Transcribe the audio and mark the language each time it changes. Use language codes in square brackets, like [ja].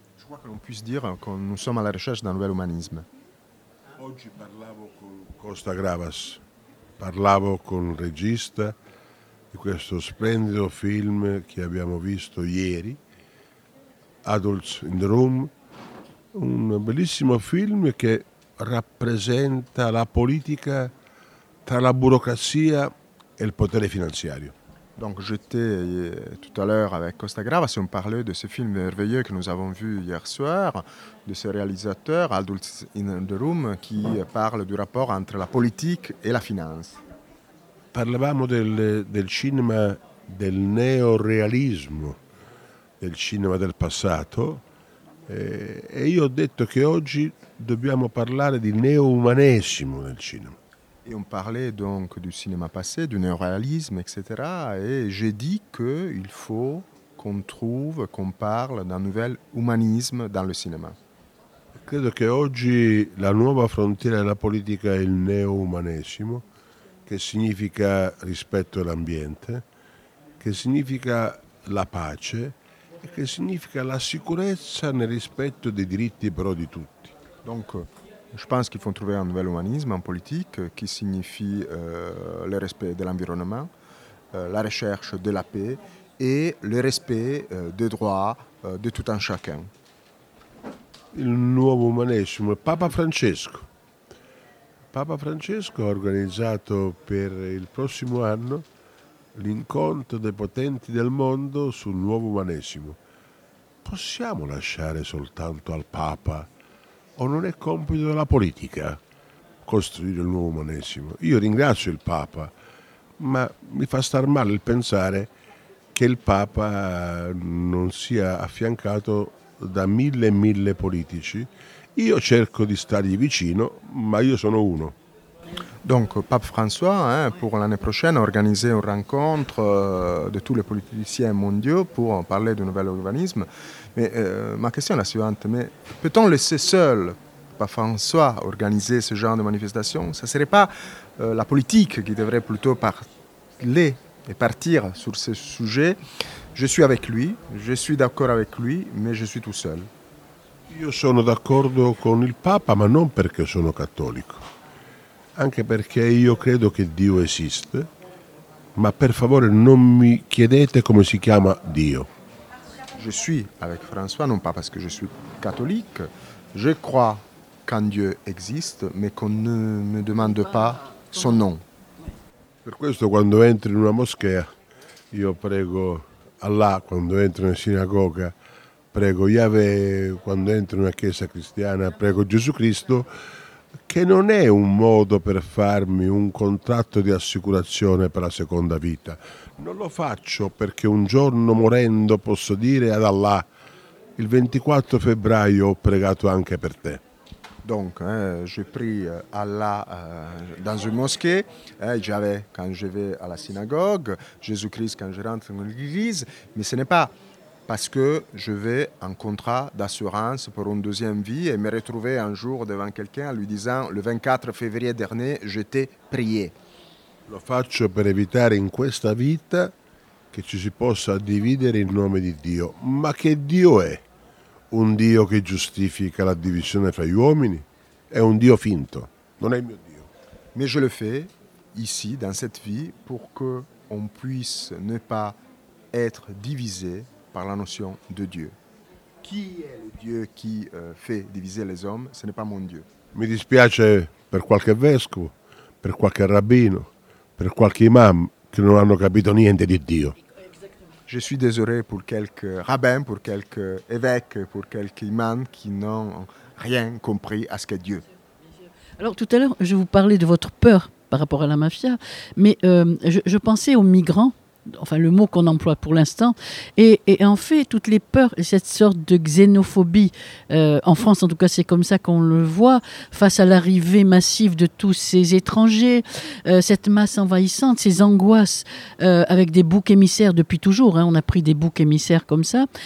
[fr] Je crois que l'on puisse dire que nous sommes à la recherche d'un nouvel humanisme. [it] Oggi parlavo con Costa Gravas, parlavo con il regista di questo splendido film che abbiamo visto ieri, Adults in the Room, un bellissimo film che rappresenta la politica tra la burocrazia e il potere finanziario. [fr] Donc j'étais tout à l'heure avec Costa Gravas et on parlait de ce film merveilleux que nous avons vu hier soir, de ce réalisateur Adults in the Room qui parle du rapport entre la politique et la finance. [it] Parlavamo del cinema del neorealismo, del cinema del passato, e io ho detto che oggi dobbiamo parlare di neoumanesimo nel cinema. [fr] Et on parlait donc du cinéma passé, du néoréalisme, etc. Et j'ai dit qu'il faut qu'on trouve, qu'on parle d'un nouvel humanisme dans le cinéma. Je crois qu'aujourd'hui, la nouvelle frontière de la politique est le néo-humanisme, qui signifie respect de l'ambiente, qui signifie la paix, et qui signifie la sécurité nel respect des [it] diritti però di tutti. [fr] Donc, je pense qu'il faut trouver un nouvel humanisme en politique qui signifie le respect de l'environnement, la recherche de la paix et le respect des droits de tout un chacun. [it] Il nuovo umanesimo, Papa Francesco. Papa Francesco ha organizzato per il prossimo anno l'incontro dei potenti del mondo sul nuovo umanesimo. Possiamo lasciare soltanto al Papa? O non è compito della politica costruire il nuovo umanesimo? Io ringrazio il Papa, ma mi fa star male il pensare che il Papa non sia affiancato da mille e mille politici. Io cerco di stargli vicino, ma io sono uno. [fr] Donc, Pape François, pour l'année prochaine, a organisé une rencontre de tous les politiciens mondiaux pour parler du nouvel urbanisme. Mais ma question est la suivante, mais peut-on laisser seul Pape François organiser ce genre de manifestation? Ce ne serait pas la politique qui devrait plutôt parler et partir sur ce sujet? Je suis avec lui, je suis d'accord avec lui, mais je suis tout seul. [it] Io sono d'accordo con il Papa, ma non perché sono cattolico. Anche perché io credo che Dio esiste, ma per favore non mi chiedete come si chiama Dio. [fr] Je suis avec François, non pas parce que je suis catholique. Je crois qu'un Dieu existe, mais qu'on ne me demande pas son nom. [it] Per questo quando entro in una moschea, io prego Allah, quando entro in una sinagoga, prego Yahweh, quando entro in una chiesa cristiana, prego Gesù Cristo, che non è un modo per farmi un contratto di assicurazione per la seconda vita. Non lo faccio perché un giorno morendo posso dire ad Allah il 24 febbraio ho pregato anche per te. [fr] Donc, je prie Allah dans une mosquée, Yahweh quand je vais à la synagogue, Jésus-Christ quand je rentre dans l'église, mais ce n'est pas parce que je vais en contrat d'assurance pour une deuxième vie et me retrouver un jour devant quelqu'un en lui disant le 24 février dernier, je t'ai prié. [it] Lo faccio per evitare in questa vita che ci si possa dividere il nome di Dio. Ma che Dio è? Un Dio che giustifica la divisione fra gli uomini? È un Dio finto, non è il mio Dio. [fr] Mais je le fais ici, dans cette vie, pour que on puisse ne pas être divisé par la notion de Dieu. Qui est le Dieu qui fait diviser les hommes? Ce n'est pas mon Dieu. [it] Mi dispiace per qualche vescovo, per qualche rabbino, per qualche imam che non hanno capito niente di Dio. [fr] Je suis désolé pour quelques rabbins, pour quelques évêques, pour quelques imams qui n'ont rien compris à ce qu'est Dieu. Alors tout à l'heure, je vous parlais de votre peur par rapport à la mafia, mais je pensais aux migrants. Enfin, le mot qu'on emploie pour l'instant. Et en fait, toutes les peurs et cette sorte de xénophobie, en France en tout cas, c'est comme ça qu'on le voit, face à l'arrivée massive de tous ces étrangers, cette masse envahissante, ces angoisses avec des boucs émissaires depuis toujours, on a pris des boucs émissaires comme ça.